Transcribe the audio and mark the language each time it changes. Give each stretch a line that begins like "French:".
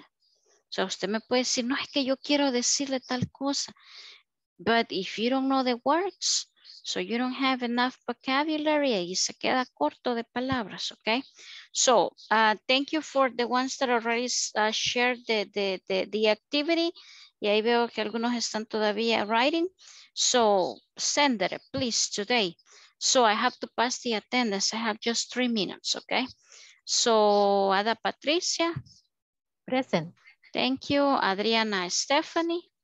Spanish: O sea, usted me puede decir, no, es que yo quiero decirle tal cosa.
English: But if you don't know the words, so you don't have enough vocabulary,
Spanish: y se queda corto de palabras,
English: okay? So, thank you for the ones that already shared the activity.
Spanish: Y ahí veo que algunos están todavía writing.
English: So, send it, please, today. So, I have to pass the attendance. I have just 3 minutes, okay? So, Ada Patricia. Present. Thank you. Adriana Stephanie.